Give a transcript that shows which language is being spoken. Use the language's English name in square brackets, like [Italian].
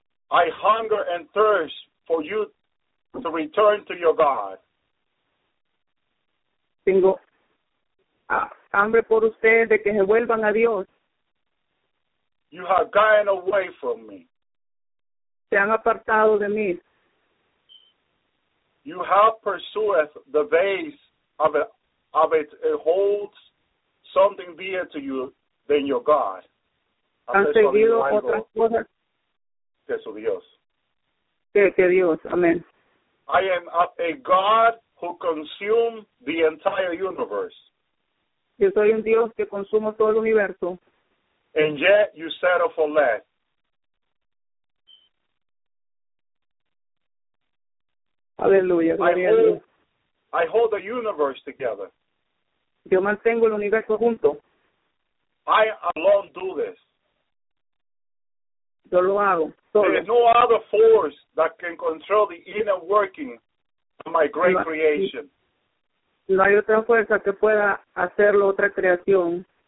[English] I hunger and thirst for you to return to your God. [Spanish] Tengo hambre por ustedes de que se vuelvan a Dios. [English] You have gone away from me. [Spanish] Se han apartado de mí. [English] You have pursued the vase of it holds something dear to you than your God. [Spanish] Han seguido otras cosas que su Dios. Que Dios, amén. [English] I am a God who consume the entire universe. [Spanish] Yo soy un Dios que consumo todo el universo. [English] And yet you settle for less. [Spanish] Aleluya, gloria a Dios. [English] I hold the universe together. [Spanish] Yo mantengo el universo junto. [English] I alone do this. [Spanish] Yo lo hago solo. [English] There is no other force that can control the inner working of my great creation. [Spanish] No hay otra fuerza que pueda hacerlo otra creación.